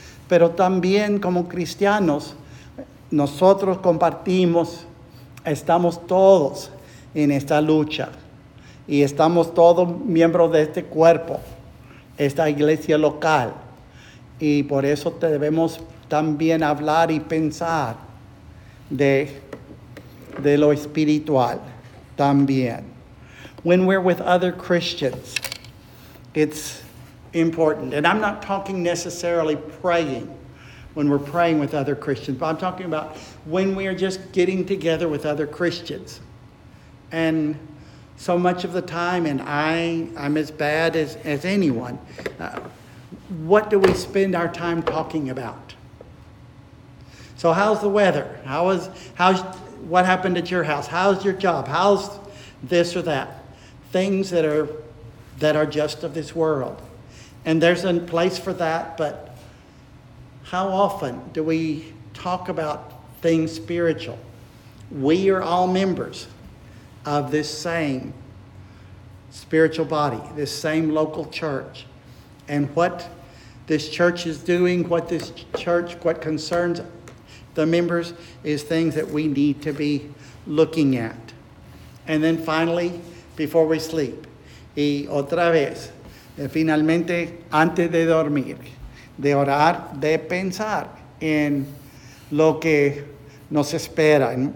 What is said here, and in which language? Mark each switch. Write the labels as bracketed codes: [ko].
[es] Pero también como cristianos, nosotros compartimos, estamos todos en esta lucha y estamos todos miembros de este cuerpo, esta iglesia local, y por eso debemos también hablar y pensar de lo espiritual también. [en] When we're with other Christians, it's important. And I'm not talking necessarily praying when we're praying with other Christians, but I'm talking about when we are just getting together with other Christians. And so much of the time, and I'm as bad as anyone, what do we spend our time talking about? So how's the weather? What happened at your house? How's your job? How's this or that? Things that are just of this world. And there's a place for that, but how often do we talk about things spiritual? We are all members of this same spiritual body, this same local church. And what this church is doing, what concerns the members, is things that we need to be looking at. And then finally, before we sleep, [es] Y otra vez, finalmente, antes de dormir, de orar, de pensar en lo que nos espera.